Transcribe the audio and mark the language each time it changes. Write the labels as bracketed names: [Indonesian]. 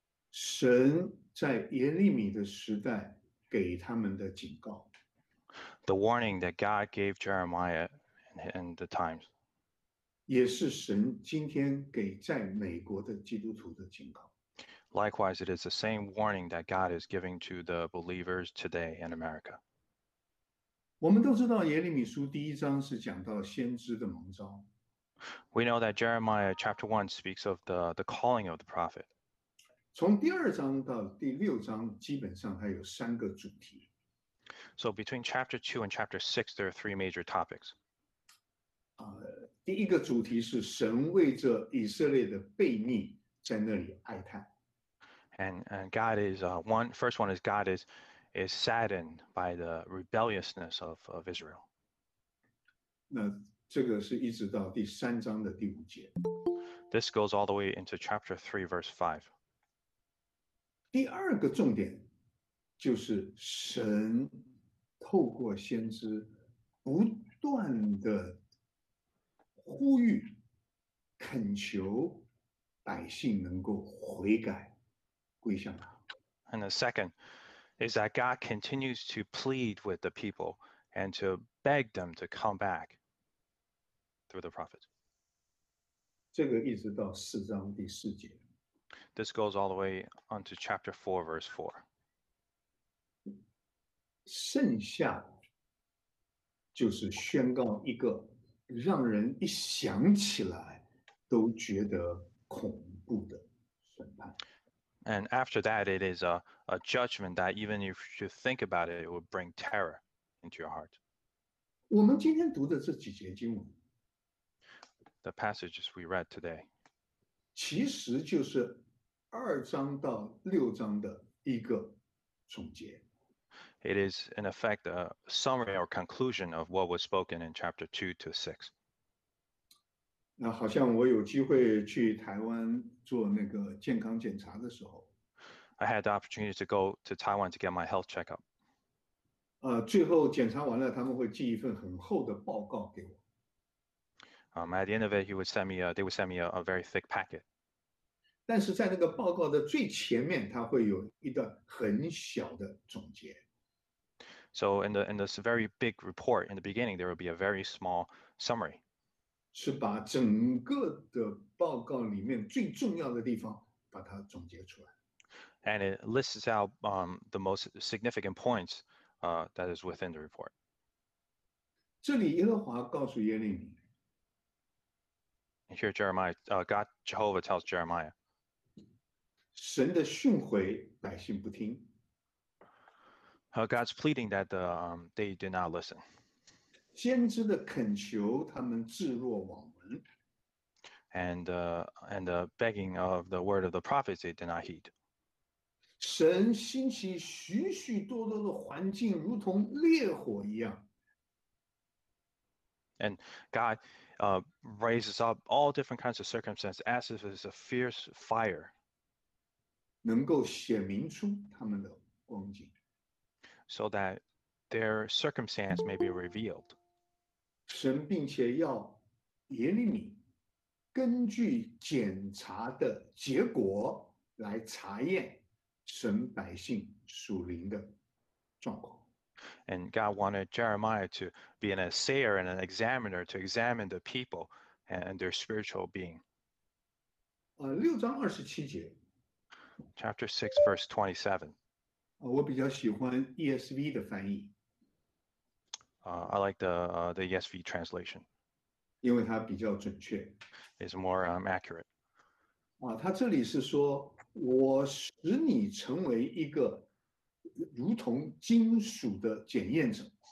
[Chinese] 神在耶利米的时代给他们的警告。 [English] The warning that God gave Jeremiah in the times. [Chinese] 也是神今天给在美国的基督徒的警告。 [English] Likewise, it is the same warning that God is giving to the believers today in America. [Chinese] 我们都知道耶利米书第一章是讲到先知的蒙召。 [English] We know that Jeremiah chapter 1 speaks of the calling of the prophet. [Chinese] 从第二章到第六章，基本上它有三个主题。 [English] So between chapter 2 and chapter 6, there are three major topics. [Chinese] 第一个主题是神为着以色列的悖逆在那里哀叹。 [English] And God is, first one is God is saddened by the rebelliousness of Israel. [Chinese] 那这个是一直到第三章的第五节。 [English] This goes all the way into chapter 3, verse 5. [Chinese] 第二个重点就是神透过先知不断的呼吁、恳求百姓能够悔改。 [English] And the second is that God continues to plead with the people and to beg them to come back through the prophets. [Chinese] 这个一直到四章第四节。 [English] This goes all the way onto chapter 4, verse 4. [Chinese] 剩下就是宣告一个让人一想起来都觉得恐怖的审判。 [English] And after that, it is a judgment that even if you think about it, it would bring terror into your heart. [Chinese] 我们今天读的这几节经文, [English] the passages we read today, [Chinese] 其实就是二章到六章的一个总结。 [English] It is, in effect, a summary or conclusion of what was spoken in chapter 2 to 6. [Chinese] 那好像我有机会去台湾做那个健康检查的时候 [English] ，I had the opportunity to go to Taiwan to get my health checkup. [Chinese] 最后检查完了，他们会寄一份很厚的报告给我。 [English] At the end of it, they would send me a very thick packet. [Chinese] 但是在那个报告的最前面，它会有一段很小的总结。 [English] So in this very big report in the beginning, there will be a very small summary. [Chinese] 是把整个的报告里面最重要的地方把它总结出来。 [English] And it lists out the most significant points that is within the report. [Chinese] 这里耶和华告诉耶利米。 [English] Here God Jehovah tells Jeremiah. [Chinese] 神的训诲百姓不听。 [English] God's pleading that they did not listen. [Chinese] 先知的恳求，他们置若罔闻。 [English] And the begging of the word of the prophets, they did not heed. [Chinese] 神兴起许许多多的环境，如同烈火一样。 [English] And God raises up all different kinds of circumstances as if it's a fierce fire. [Chinese] 能够显明出他们的光景。 [English] So that their circumstance may be revealed. [Chinese] 神并且要耶利米根据检查的结果来查验神百姓属灵的状况。 [English] And God wanted Jeremiah to be an assayer and an examiner to examine the people and their spiritual being. [Chinese] 六章二十七节。 [English] Chapter 6, verse 27. [Chinese] 我比较喜欢 ESV 的翻译。 [English] I like the ESV translation. [Chinese] 因为它比较准确。 [English] It's more accurate. [Chinese] 它这里是说，我使你成为一个如同金属的检验者。